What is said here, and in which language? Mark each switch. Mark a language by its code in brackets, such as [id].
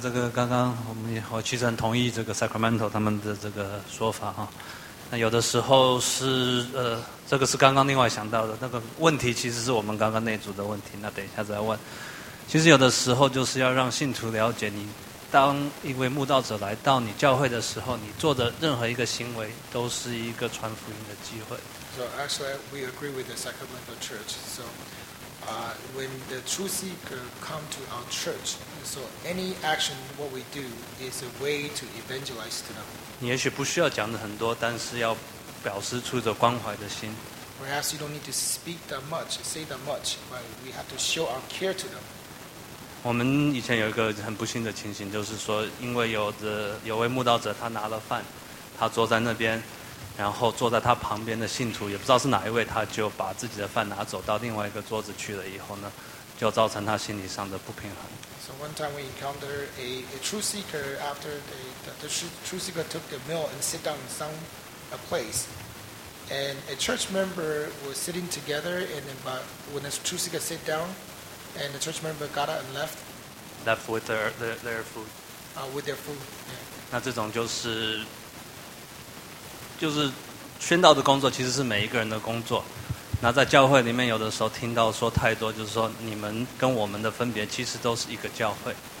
[zh] 这个刚刚我们和齐晨同意这个 Sacramento 他们的这个说法哈，那有的时候是这个是刚刚另外想到的那个问题，其实是我们刚刚那组的问题，那等一下再问。其实有的时候就是要让信徒了解，你当一位慕道者来到你教会的时候，你做的任何一个行为都是一个传福音的机会。 [en] So actually we agree with the Sacramento Church. SoWhen the true seeker come to our church, so any action what we do is a way to evangelize to them. [zh] 你也许不需要讲的很多，但是要表示出着关怀的心。 [en] Perhaps you don't need to speak that much, say that much, but we have to show our care to them. [zh] 我们以前有一个很不幸的情形，就是说，因为有位慕道者，他拿了饭，他坐在那边。然后坐在他旁边的信徒也不知道是哪一位，他就把自己的饭拿走到另外一个桌子去了，以后呢就造成他心理上的不平衡。 [en] So one time we encountered a true seeker after the true seeker took the meal and sit down in some place, and a church member was sitting together, and then but when the true seeker sat down and the church member got up and left with their food、 with their food、yeah. [zh] 那这种就是宣道的工作其实是每一个人的工作，那在教会里面有的时候听到说太多，就是说你们跟我们的分别其实都是一个教会。